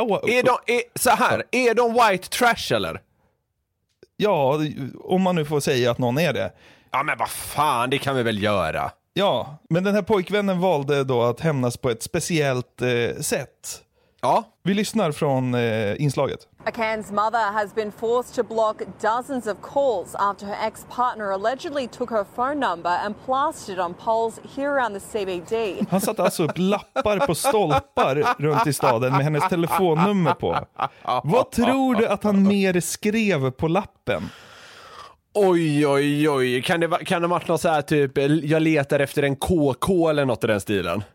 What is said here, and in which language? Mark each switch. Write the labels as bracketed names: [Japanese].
[Swedish] är de white trash eller? Ja, om man nu får säga att någon är det. Ja, men vad fan, det kan vi väl göra. Ja, men den här pojkvännen valde då att hämnas på ett speciellt sätt. Ja. Vi lyssnar från inslaget. [English] A Cairns mother has been forced to block dozens of calls after her ex-partner allegedly took her phone number and plastered on poles here around the CBD. [Swedish] Han satte alltså upp lappar på stolpar runt i staden med hennes telefonnummer på. Vad tror du att han mer skrev på lappen? Oj. Kan det vara något så här typ, jag letar efter en KK eller något i den stilen?